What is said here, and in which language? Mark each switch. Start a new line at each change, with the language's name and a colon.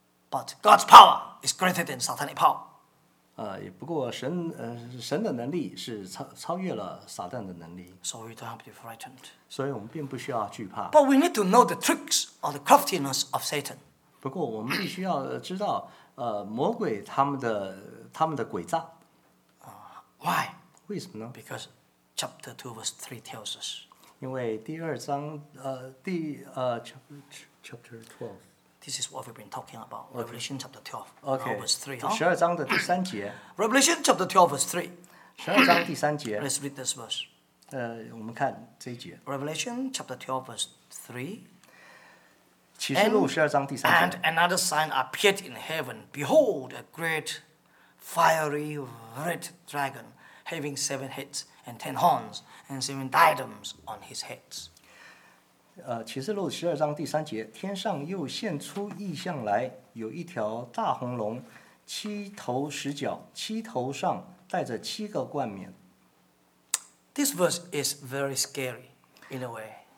English: But God's power is greater than satanic power.
Chinese: 也不过神的能力是超越了撒旦的能力。
English: So we don't have to be frightened.
Chinese: 所以我们并不需要惧怕。
English: But we need to know the tricks or the craftiness of Satan.
Chinese: 不过我们必须要知道魔鬼他们的诡诈。
English: Why?
Chinese: 为什么呢
English: ？Because chapter 2 verse 3 tells us.
Chinese: 因为第二章
English: chapter 12 this is what we've been talking about、 okay. Revelation chapter 12 okay verse 3
Chinese: 十二章的第三节
English: Revelation chapter 12 verse 3
Chinese: 十二章第三节
English: let's read this verse
Chinese: 我们看这一节
English: Revelation chapter 12 verse
Chinese: 3启示录十二章第三节
English: and another sign appeared in heaven behold a great fiery red dragon having seven headsAnd 10 horns and 7 diadems on his heads.
Chinese: 启示录十二章第三节，天上又现出异象来，有一条大红龙，七头十角，七头上戴着七个冠冕。
English: This verse is very scary, in a way.